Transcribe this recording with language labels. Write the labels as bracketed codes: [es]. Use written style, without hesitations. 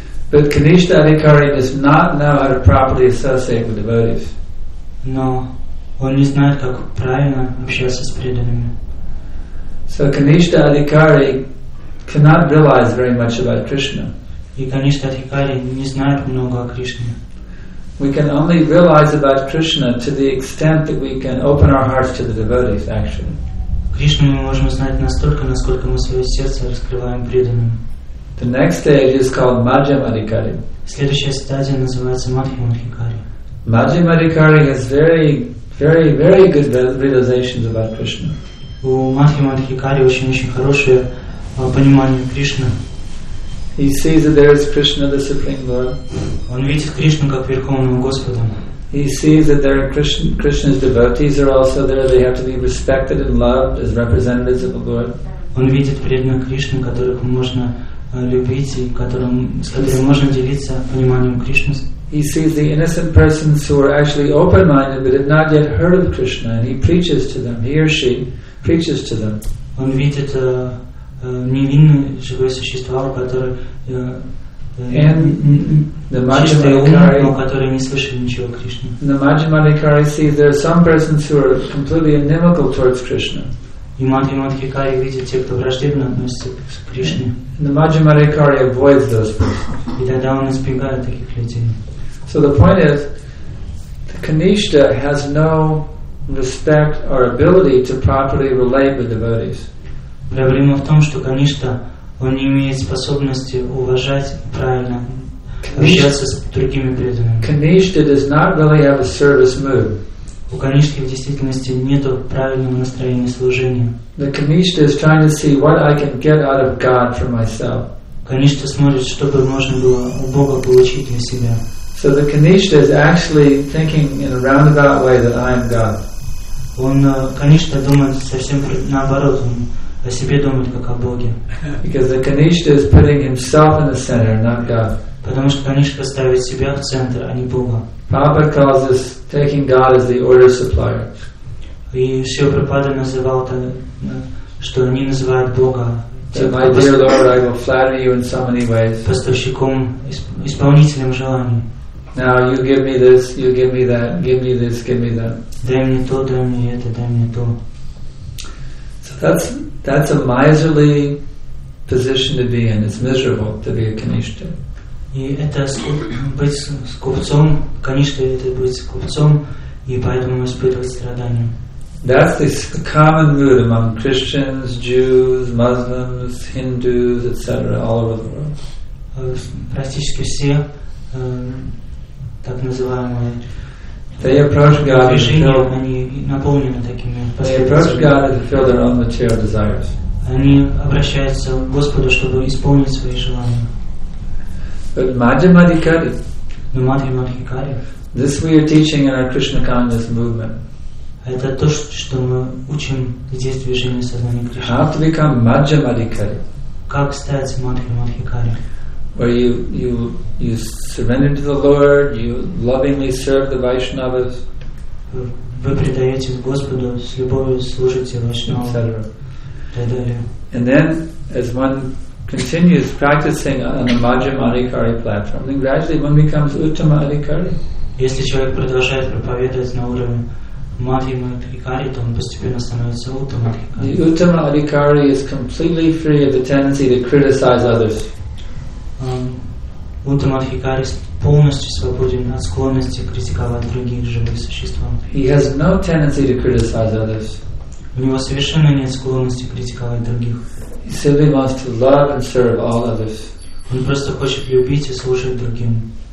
[en] But Kanishta Adhikari does not know how to properly associate with devotees. [ru] Но он не знает, как правильно общаться с преданными. [en] So Kanishta Adhikari cannot realize very much about Krishna. [ru] И, конечно, Адхикари не знает много о Кришне. [en] We can only realize about Krishna to the extent that we can open our hearts to the devotees, actually. [ru] Кришну мы можем знать настолько, насколько мы свое сердце раскрываем преданным. [en] The next stage is called Madhyama Adhikari. [ru] Следующая стадия называется Madhyama Adhikari. [en] Madhyama Adhikari has very, very, very good realizations about Krishna. [ru] У Madhyama Adhikari очень-очень хорошее понимание Кришны. [en] He sees that there is Krishna, the Supreme Lord. [ru] Он видит Кришну как Верховного Господа. [en] He sees that there are Krishna's devotees are also there. They have to be respected and loved as representatives of the Lord. [ru] Он видит преданных Кришны, которых можно любить и которым, с которыми можно делиться пониманием Кришны. [en] He sees the innocent persons who are actually open-minded but have not yet heard of Krishna, and he preaches to them. He or she preaches to them. [ru] Он видит невинные живые существа, которые [en] The Madhyama Adhikari sees there are some persons who are completely inimical towards Krishna. [ru] И Madhyama Adhikari видит тех, кто враждебно относится к Кришне. [en] The Madhyama Adhikari avoids those persons. [ru] И тогда он избегает таких людей. [en] So the point is, the Kanishta has no respect or ability to properly relate with devotees. [ru] Проблема в том, что Kanishta он не имеет способности уважать правильно общаться с другими преданными. [en] Kanishta does not really have a service mood. [ru] У Канишки в действительности нет правильного настроения служения. [en] The Kanishta is trying to see what I can get out of God for myself. [ru] Каништа смотрит, что бы можно было у Бога получить для себя. [en] So the Kanishta is actually thinking in a roundabout way that I am God. [ru] Он Каништа думает совсем наоборот. О себе думает как о Боге. [en] Because the Kanishta is putting himself in the center, not God. [ru] Потому что Канишка ставит себя в центр, а не Бога. [en] Prabhupada calls this taking God as the order supplier. [ru] И Шрила Прабхупада называл это, что они называют Бога. [en] So my dear Lord, I will flatter you in so many ways. [ru] Поставщиком, исполнителем желаний. [en] Now you give me this, you give me that, give me this, give me that. [ru] Дай мне то, дай мне это, дай мне то. [en] So that's a miserly position to be in. It's miserable to be a Kanishta. [ru] И это быть с купцом, Kanishta это быть с купцом, и поэтому испытывать страдания. [en] That's the common mood among Christians, Jews, Muslims, Hindus, etc. All over the world. [ru] Практически все так называемые. [en] They approach God to fill their own material desires. [ru] Они обращаются к Господу, чтобы исполнить свои желания. [en] But Madhyama Adhikari. [ru] Но Madhyama Adhikari. [en] This we are teaching in our Krishna consciousness movement. [ru] Это то, что мы учим здесь движение сознания Кришны. [en] How to become Madhyama Adhikari? [ru] Как стать Madhyama Adhikari? [en] Where you surrender to the Lord, you lovingly serve the Vaishnavas. [ru] Вы предаетесь Господу, с любовью служите Вайшнавам. [en] Etc. And then, as one continues practicing on the Madhyama Adhikari platform, then gradually one becomes Uttama Adhikari. [ru] Если человек продолжает проповедовать на уровне Madhyama Adhikari, то он постепенно становится Uttama Adhikari. [en] The Uttama Adhikari is completely free of the tendency to criticize others. [ru] Uttama Adhikari полностью свободен от склонности критиковать других живых существ. [en] He has no tendency to criticize others. [ru] У него совершенно нет склонности критиковать других. [en] He simply wants to love and serve all others. [ru] Он просто хочет любить и служить другим.